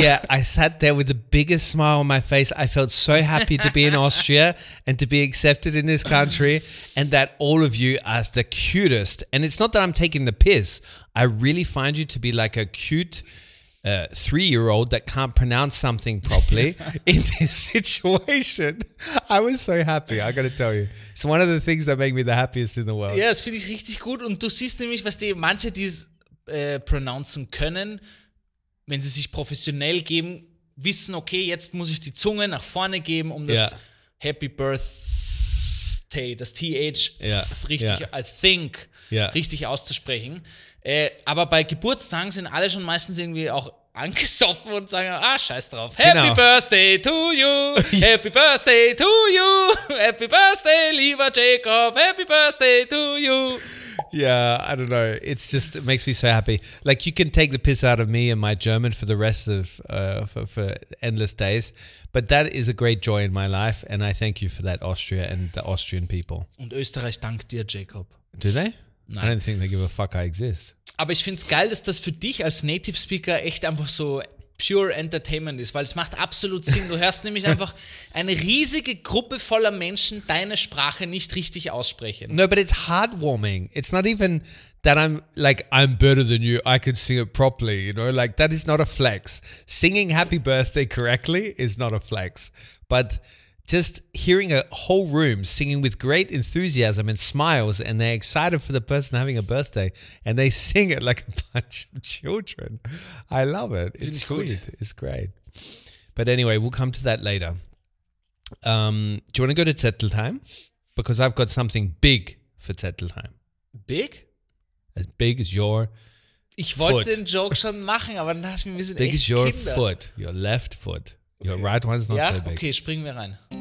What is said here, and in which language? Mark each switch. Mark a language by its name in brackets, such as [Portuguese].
[English] Yeah, I sat there with the biggest smile on my face. I felt so happy to be in Austria and to be accepted in this country and that all of you are the cutest. And it's not that I'm taking the piss. I really find you to be like a cute 3-year-old that can't pronounce something properly in this situation. I was so happy, I gotta tell you. It's one of the things that make me the happiest in the world. [German] Ja, das finde ich richtig gut. Und du siehst nämlich, was die manche, die es pronouncen können, wenn sie sich professionell geben, wissen, okay, jetzt muss ich die Zunge nach vorne geben, um das Happy Birthday, das TH richtig auszusprechen. Aber bei Geburtstagen sind alle schon meistens irgendwie auch angesoffen und sagen, ah, scheiß drauf. [English] Happy Birthday to you. Happy Birthday to you. Happy Birthday, lieber Jacob. Happy Birthday to you. Yeah, I don't know. It's just, it makes me so happy. Like, you can take the piss out of me and my German for the rest of, for endless days. But that is a great joy in my life. And I thank you for that, Austria and the Austrian people. [German] Und Österreich dankt dir, Jacob. [English] Do they? [German] Nein. [English] I don't think they give a fuck I exist. [German] Aber ich finde es geil, dass das für dich als Native Speaker echt einfach so pure Entertainment ist, weil es macht absolut Sinn. Du hörst nämlich einfach eine riesige Gruppe voller Menschen deine Sprache nicht richtig aussprechen. [English] No, but it's heartwarming. It's not even that I'm like, I'm better than you, I could sing it properly, you know? Like, that is not a flex. Singing happy birthday correctly is not a flex. But just hearing a whole room singing with great enthusiasm and smiles and they're excited for the person having a birthday and they sing it like a bunch of children. I love it. It's sweet. Gut. It's great. But anyway, we'll come to that later. Do you want to go to Zettelheim? Because I've got something big for Zettelheim. Big? As big as your [German] ich wollte [English] foot. [German] Den joke schon machen, aber dann hast du mir [English] big [German] echt [English] as your [German] Kinder. [English] Foot, your left foot. Your right one is not so big. [German] Ja, okay, springen wir rein.